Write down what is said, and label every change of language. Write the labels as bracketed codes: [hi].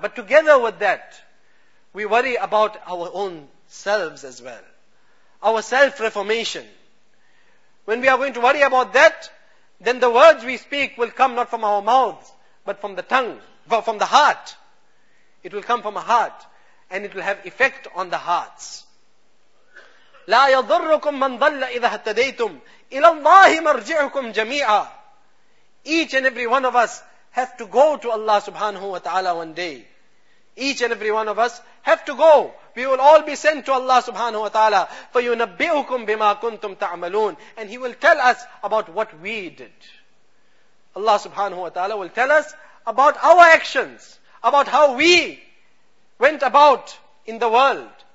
[en] But together with that, we worry about our own selves as well. Our self-reformation. When we are going to worry about that, then the words we speak will come not from our mouths, but from the tongue, from the heart. It will come from a heart, and it will have effect on the hearts. [ar] لا يضركم من ضل إذا هتديتم إلى الله مرجعكم جميعا. [en] Each and every one of us have to go to Allah subhanahu wa ta'ala one day. Each and every one of us have to go. We will all be sent to Allah subhanahu wa ta'ala. [ar] فَيُنَبِّئُكُمْ بِمَا كُنْتُمْ تَعْمَلُونَ. [en] And He will tell us about what we did. Allah subhanahu wa ta'ala will tell us about our actions, about how we went about in the world.